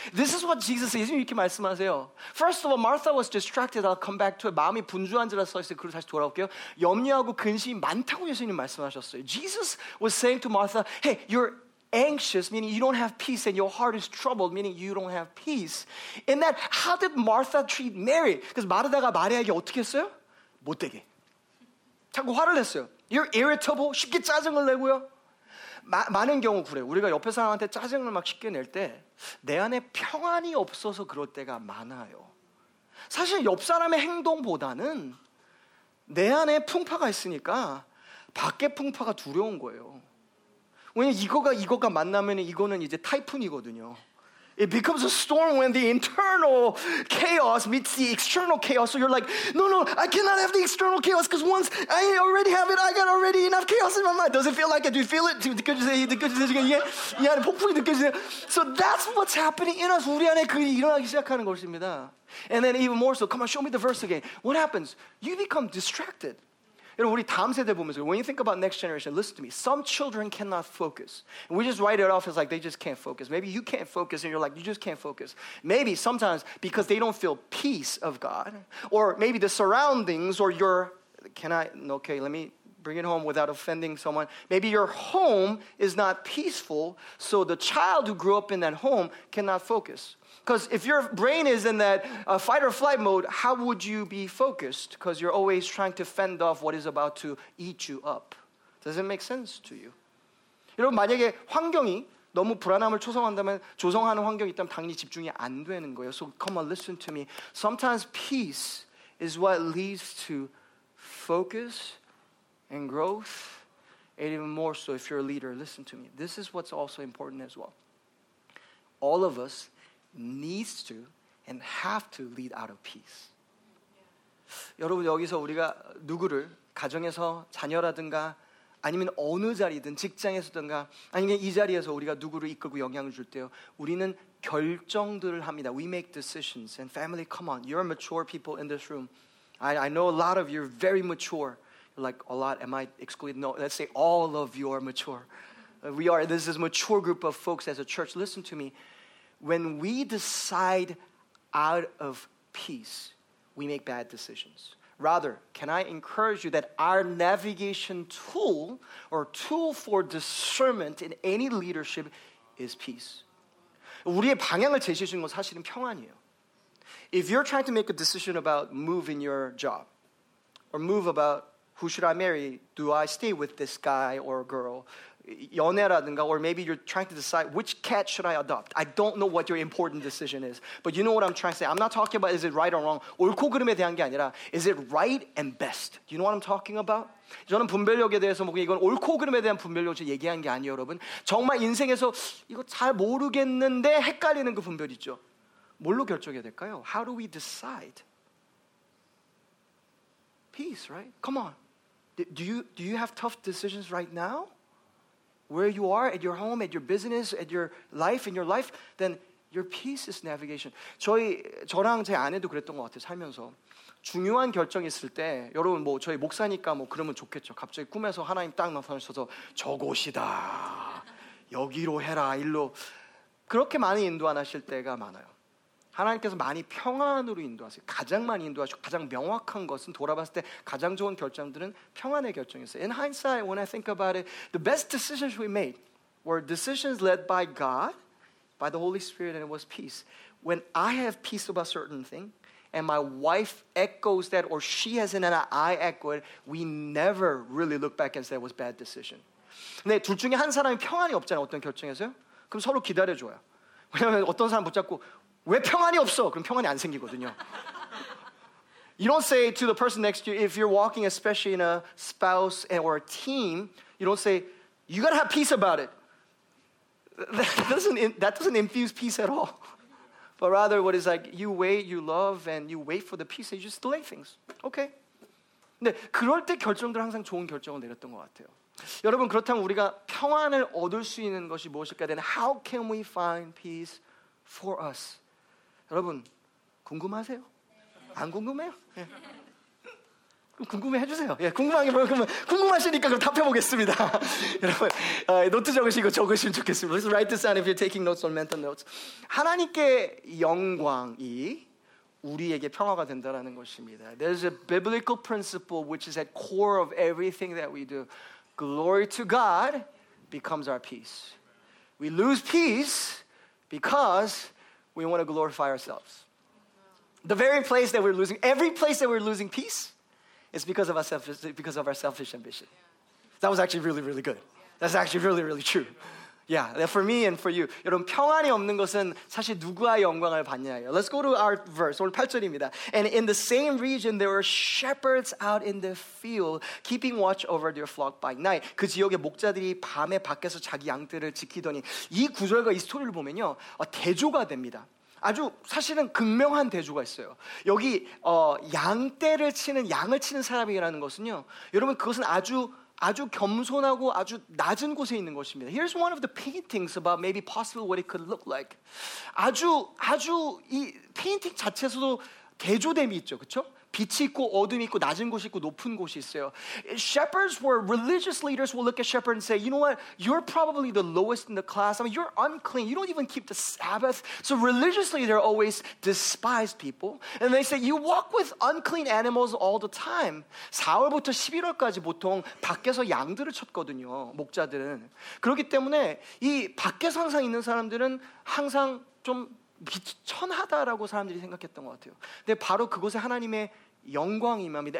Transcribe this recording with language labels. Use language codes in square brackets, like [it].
[en] This is what Jesus says. [ko] 이렇게 말씀하세요. [en] First of all, Martha was distracted. I'll come back to it. [ko] 마음이 분주한지라 써있어요. 그리고 다시 돌아올게요. 염려하고 근심이 많다고 예수님 말씀하셨어요. [en] Jesus was saying to Martha, hey, you're anxious, meaning you don't have peace, and your heart is troubled, meaning you don't have peace. In that, how did Martha treat Mary? [ko] Because 마르다가 마리아에게 어떻게 했어요? 못되게. 자꾸 화를 냈어요. [en] You're irritable. [ko] 쉽게 짜증을 내고요. 많은 경우 그래요. 우리가 옆에 사람한테 짜증을 막 쉽게 낼 때 내 안에 평안이 없어서 그럴 때가 많아요. 사실 옆 사람의 행동보다는 내 안에 풍파가 있으니까 밖에 풍파가 두려운 거예요. 왜냐면 이거가 만나면 이거는 이제 타이푼이거든요. [en] It becomes a storm when the internal chaos meets the external chaos. So you're like, no, no, I cannot have the external chaos because once I already have it, I got already enough chaos in my mind. Does it feel like it? Do you feel it? So that's what's happening in us. [ko] 우리 안에 그게 일어나기 시작하는 것입니다. [en] And then even more so, come on, show me the verse again. What happens? You become distracted. [ko] 여러분, 우리 다음 세대 보면서, [en] when you think about next generation, listen to me. Some children cannot focus. And we just write it off as like, they just can't focus. Maybe you can't focus, and you're like, you just can't focus. Maybe sometimes because they don't feel peace of God, or maybe the surroundings, or your, let me bring it home without offending someone. Maybe your home is not peaceful, so the child who grew up in that home cannot focus. Because if your brain is in that fight or flight mode, how would you be focused? Because you're always trying to fend off what is about to eat you up. Does it make sense to you? [ko] 여러분, 만약에 환경이 너무 불안함을 조성한다면, 조성하는 환경이 있다면 당연히 집중이 안 되는 거예요. [en] So come on, listen to me. Sometimes peace is what leads to focus and growth. And even more so, if you're a leader, listen to me. This is what's also important as well. All of us needs to and have to lead out of peace. [ko] 여러분, 여기서 우리가 누구를 가정에서 자녀라든가 아니면 어느 자리든 직장에서든가 아니면 이 자리에서 우리가 누구를 이끌고 영향을 줄 때요. 우리는 결정들을 합니다. [en] We make decisions. And family, come on. You're mature people in this room. I know a lot of you are very mature. Like a lot. Am I excluding? No, let's say all of you are mature. We are. This is a mature group of folks as a church. Listen to me. When we decide out of peace, we make bad decisions. Rather, can I encourage you that our navigation tool or tool for discernment in any leadership is peace. [ko] 우리의 방향을 제시해주는 건 사실은 평안이에요. [en] If you're trying to make a decision about moving your job or move about who should I marry, do I stay with this guy or girl, 연애라든가, or maybe you're trying to decide which cat should I adopt. I don't know what your important decision is, but you know what I'm trying to say. I'm not talking about is it right or wrong. [ko] 옳고 그름에 대한 게 아니라, [en] is it right and best? Do you know what I'm talking about? [ko] 저는 분별력에 대해서 뭐 이건 옳고 그름에 대한 분별력을 얘기한 게 아니에요, 여러분. 정말 인생에서 이거 잘 모르겠는데 헷갈리는 그 분별 있죠. 뭘로 결정해야 될까요? [en] How do we decide? Peace, right? Come on. Do you have tough decisions right now? Where you are, at your home, at your business, at your life, in your life, then your peace is navigation. [ko] 저랑 제 아내도 그랬던 것 같아요, 살면서. 중요한 결정이 있을 때, 여러분, 뭐, 저희 목사니까 뭐, 그러면 좋겠죠. 갑자기 꿈에서 하나님 딱 나타나셔서, 저곳이다. 여기로 해라, 일로. 그렇게 많이 인도 안 하실 때가 많아요. 하나님께서 많이 평안으로 인도하세요. 가장 많이 인도하시고 가장 명확한 것은 돌아봤을 때 가장 좋은 결정들은 평안의 결정이었어요. [en] In hindsight, when I think about it, the best decisions we made were decisions led by God, by the Holy Spirit, and it was peace. When I have peace about a certain thing, and my wife echoes that, or she has it, and I echo it, we never really look back and say it was a bad decision. [ko] 근데 둘 중에 한 사람이 평안이 없잖아요. 어떤 결정에서요? 그럼 서로 기다려줘요. 왜냐하면 어떤 사람 붙잡고 왜 평안이 없어? 그럼 평안이 안 생기거든요. [en] You don't say to the person next to you, if you're walking especially in a spouse or a team, you don't say, you gotta have peace about it. That doesn't infuse peace at all. But rather what is like, you wait, you love, and you wait for the peace, and you just delay things. Okay. [ko] 근데 그럴 때 결정들 항상 좋은 결정을 내렸던 것 같아요. 여러분, 그렇다면 우리가 평안을 얻을 수 있는 것이 무엇일까? [en] Then how can we find peace for us? [ko] 여러분, 궁금하세요? 안 궁금해요? 네. 궁금해 해주세요. 예, 궁금한 게 뭐냐면, 궁금하시니까 그럼 답해보겠습니다. 여러분, 노트 적으시고 적으시면 좋겠습니다. [en] Let's write this down if you're taking notes or mental notes. [ko] 하나님께 영광이 우리에게 평화가 된다라는 것입니다. [en] There's a biblical principle which is at core of everything that we do. Glory to God becomes our peace. We lose peace because we want to glorify ourselves. The very place that we're losing, every place that we're losing peace is because of our selfish ambition. That was actually really, really good. That's actually really, really true. Yeah, for me and for you. [ko] 여러분, 평안이 없는 것은 사실 누구와 영광을 받냐예요. [en] Let's go to our verse. [ko] 오늘 8절입니다. [en] And in the same region, there were shepherds out in the field, keeping watch over their flock by night. [ko] 그 지역의 목자들이 밤에 밖에서 자기 양들을 지키더니 이 구절과 이 스토리를 보면요. 대조가 됩니다. 아주 사실은 극명한 대조가 있어요. 여기 양떼를 치는, 양을 치는 사람이라는 것은요. 여러분, 그것은 아주 아주 겸손하고 아주 낮은 곳에 있는 것입니다. [en] Here's one of the paintings about maybe possible what it could look like. [ko] 아주 아주 이 페인팅 자체에서도 대조됨이 있죠. 그렇죠? 빛이 있고 어둠이 있고 낮은 곳이 있고 높은 곳이 있어요. [en] Shepherds were religious leaders will look at shepherds and say, you know what? You're probably the lowest in the class. I mean, you're unclean. You don't even keep the Sabbath. So religiously, they're always despised people. And they say, you walk with unclean animals all the time. [ko] 4월부터 11월까지 보통 밖에서 양들을 쳤거든요, 목자들은. 그렇기 때문에 이 밖에서 항상 있는 사람들은 항상 좀 비천하다라고 사람들이 생각했던 것 같아요. 근데 바로 그곳에 하나님의 영광이 임합니다.